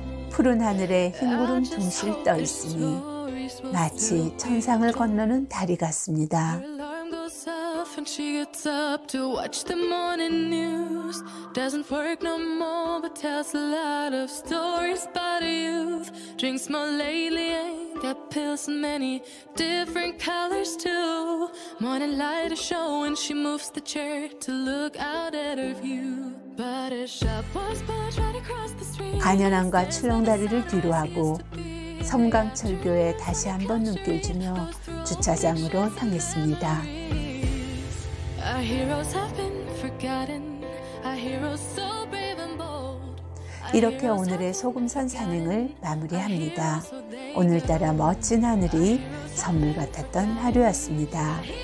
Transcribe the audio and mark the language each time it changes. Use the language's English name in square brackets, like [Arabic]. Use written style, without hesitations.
[Korean] 푸른 하늘에 흰 구름 둥실 떠 있으니 마치 천상을 건너는 다리 같습니다. [English] And she gets up to watch the morning news. Doesn't work no more, but tells a lot of stories about a youth. Drinks more lately, ain't got pills in many different colors too. Morning light is showing, she moves the chair to look out at her view. But a shop was built right across the street. [Korean] 간현안과 출렁다리를 뒤로하고 섬광철교에 다시 한번 눈길 주며 주차장으로 향했습니다. [English] Our heroes have been forgotten. Our heroes so brave and bold. [Korean] 이렇게 오늘의 소금산 산행을 마무리합니다. 오늘따라 멋진 하늘이 선물 같았던 하루였습니다.